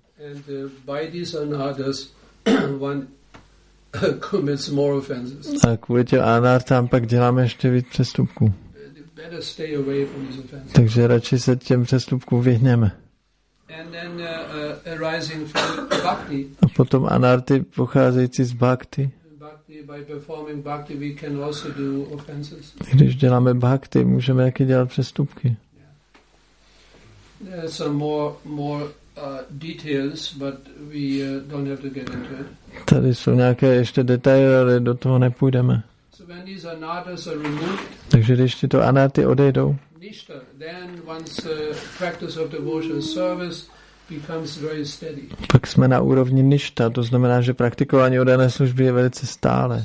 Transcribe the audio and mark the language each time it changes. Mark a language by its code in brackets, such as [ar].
[en] And by these anarthas one commits more offenses. [cs] A kvůli těm anartám pak děláme ještě víc přestupků. [en] Better stay away from these offenses. [cs] Takže radši se těm přestupkům vyhneme. [en] And then arising from bhakti. [cs] A potom anarty pocházející z bhakti. [en] Bhakti, by performing bhakti we can also do offenses. [cs] Když děláme bhakti, můžeme taky dělat přestupky. [en] There are some more details, but we don't have to get into it. [cs] Tady jsou nějaké ještě detaily, ale do toho nepůjdeme. [en] So when these anartas are removed, [cs] takže když tyto anarty odejdou, [en] nishta, then once the practice of devotional service becomes very steady. [cs] Pak jsme na úrovni nishta, to znamená, že praktikování oddané služby je velice stále.